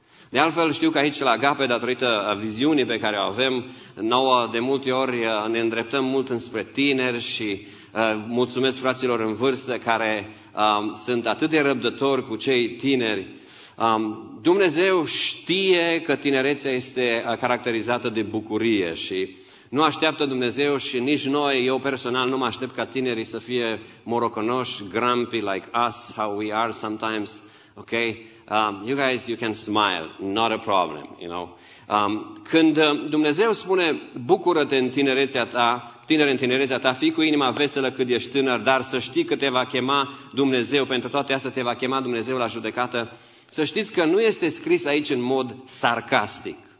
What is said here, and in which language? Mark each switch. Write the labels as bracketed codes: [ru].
[ro] De altfel știu că aici la Agape, datorită viziunii pe care o avem, nouă de multe ori ne îndreptăm mult înspre tineri și mulțumesc fraților în vârstă care sunt atât de răbdători cu cei tineri. Dumnezeu știe că tinerețea este caracterizată de bucurie și nu așteaptă Dumnezeu și nici noi, eu personal nu mă aștept ca tinerii să fie morocănoși, [en] grumpy like us, how we are sometimes, ok? You guys, you can smile, not a problem, you know? [ro] Când Dumnezeu spune, bucură-te în tinerețea ta, tinere în tinerețea ta, fii cu inima veselă cât ești tânăr, dar să știi că te va chema Dumnezeu, pentru toate astea te va chema Dumnezeu la judecată, să știți că nu este scris aici în mod sarcastic.